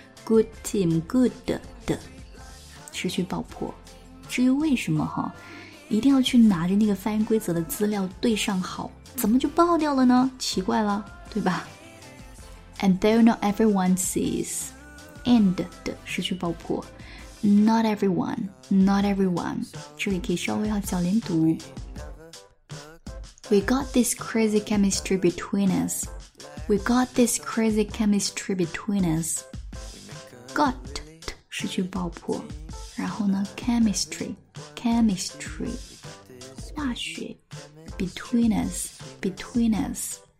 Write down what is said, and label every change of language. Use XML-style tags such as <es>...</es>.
<en>Good team, good</en> <zh>的失去爆破。至于为什么哈，一定要去拿着那个发音规则的资料对上好，怎么就爆掉了呢？奇怪了，对吧？</zh> <en>And though not everyone sees, and</en> <zh>的失去爆破，</zh> <en>Not everyone, not everyone.</en> <zh>这里可以稍微要小连读。</zh> <en>We got this crazy chemistry between us. We got this crazy chemistry between us. Got</en> <zh>是去爆破，然后呢</zh> <en>chemistry, chemistry, 化学 between us, between us.</en>